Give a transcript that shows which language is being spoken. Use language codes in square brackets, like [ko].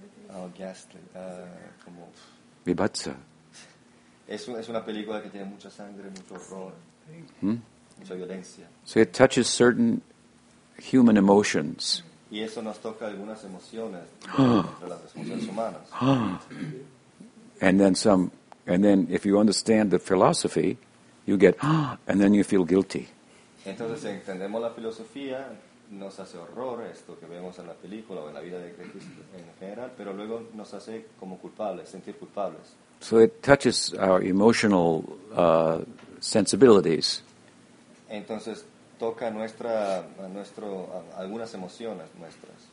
[en] Oh, ghastly. Como... [sa] Vibhatsa. [es] Es una película que tiene mucha sangre, mucho horror, mucha violencia. [en] So it touches certain human emotions. [es] Y eso nos toca algunas emociones, las emociones humanas. [en] And then if you understand the philosophy, you get, and then you feel guilty. [es] Entonces, si entendemos la filosofía, nos hace horror esto que vemos en la película o en la vida de Cristo en general, pero luego nos hace como culpables, sentir culpables. [en] So it touches our emotional sensibilities. [es] Entonces toca algunas emociones nuestras.